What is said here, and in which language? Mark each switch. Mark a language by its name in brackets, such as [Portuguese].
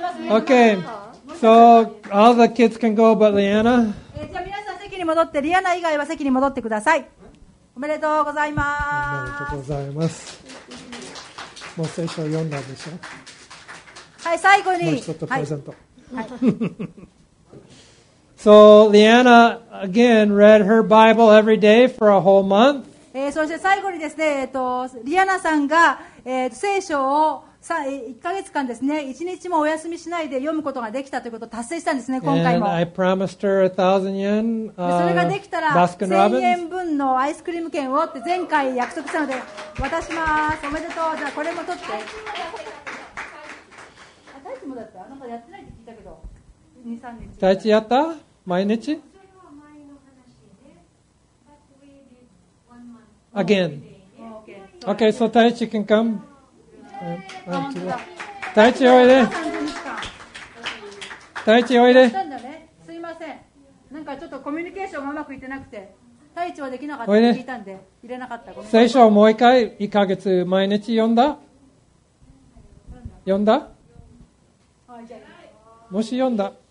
[English] Okay, so all the kids can go, but Leanna. [Japanese] 戻ってリアナ以外は席に戻ってください。おめでとうございます。おめでとうございます。もう聖書を読んだんでしょ。はい、最後にもうちょっとプレゼント。 [English] So Leanna again read her Bible every day for a whole month. [Japanese] そして最後にですね、リアナさんが、聖書を1ヶ月間ですね、1日もお休みしないで読むことができたということを達成したんですね、今回も。 [English] And I promised her 1000 yen, [Japanese] それができたら1000円分のアイスクリーム券をって前回約束したので渡します。おめでとう。じゃあこれも取って。大地もだった。なんかやってないって聞いたけど、2、3日。大地やった。毎日 again. [English] Okay, so 大地 can come [Japanese] タイチおいで。タイチおいで。すいません。なんかちょっとコミュニケーションがうまくいってなくて、タイチはできなかったって聞いたんで、入れなかった。ごめん。聖書をもう一回、1ヶ月毎日読んだ？読んだ？はい、じゃあ。もし読んだ。